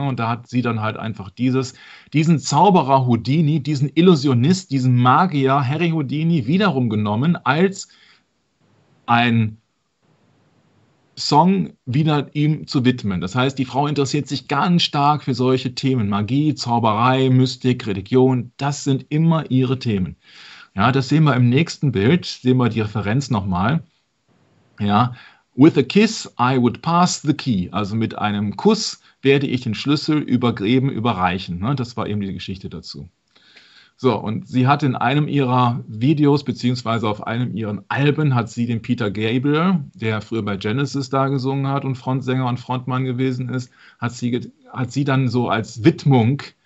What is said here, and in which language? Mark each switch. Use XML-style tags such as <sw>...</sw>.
<de>Und da hat sie dann halt einfach diesen Zauberer Houdini, diesen Illusionist, diesen Magier Harry Houdini wiederum genommen als ein Song wieder ihm zu widmen. Das heißt, die Frau interessiert sich ganz stark für solche Themen. Magie, Zauberei, Mystik, Religion, das sind immer ihre Themen. Ja, das sehen wir im nächsten Bild. Sehen wir die Referenz nochmal.</de> <en>Ja, with a kiss I would pass the key.</en> <de>Also mit einem Kuss werde ich den Schlüssel übergeben, überreichen. Ne? Das war eben die Geschichte dazu. So, und sie hat in einem ihrer Videos, beziehungsweise auf einem ihren Alben, hat sie den Peter Gabriel, der früher bei Genesis da gesungen hat und Frontsänger und Frontmann gewesen ist, hat sie dann so als Widmung</de>